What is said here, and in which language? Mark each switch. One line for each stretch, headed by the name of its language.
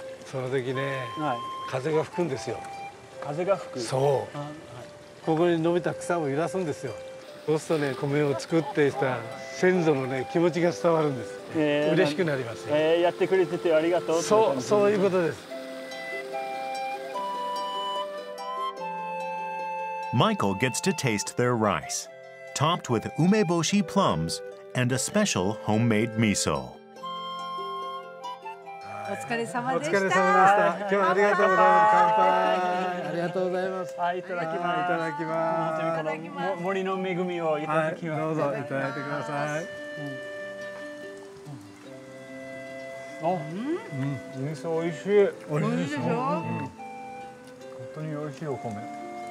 Japanese: その時ね、風が吹くんですよ。風が吹く。そう。ここに伸びた草を揺らすんですよ。そうするとね、米を作っていた先祖のね、気持ちが伝わるんです。嬉しくなります。やってくれててありがとう。そう、そういうことです。
English: Michael gets to taste their rice, topped with umeboshi plums and a special homemade miso.
Japanese: お疲れ様でした。今日はありがとうございます。乾杯。ありがとうございます。はい、いただきます。いただきます。森の恵みをいただきます。どうぞ、いただいてください。あ、うん。うん。味噌美味しい。美味しいでしょ。本当に美味しいお米。